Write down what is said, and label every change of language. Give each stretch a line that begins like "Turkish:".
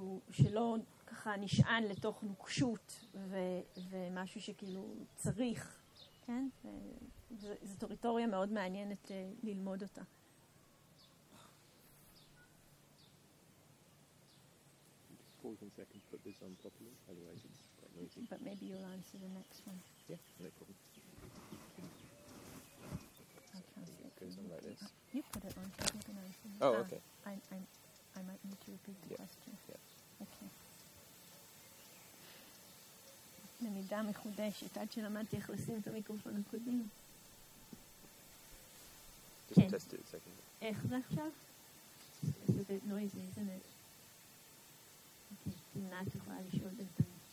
Hebrew: שלא ככה נשען לתוך נוקשות ומשהו שכאילו צריך... כן? זו טריטוריה מאוד מעניינת ללמוד אותה.
English: Pause in a second, put this on properly, otherwise it's quite noisy. But maybe you'll answer the next one. Yeah, no problem. Okay. So you put it on, so I think I'm going to... Oh, okay. I might need to repeat the question. Yeah.
Hebrew: למידה מחודשת, עד שלמדתי איך לשים את המיקרופון הקודם. כן. איך זה עכשיו? זה נויזי, זה נויזי. אוקיי, תמנע, את יכולה לשאול את זה.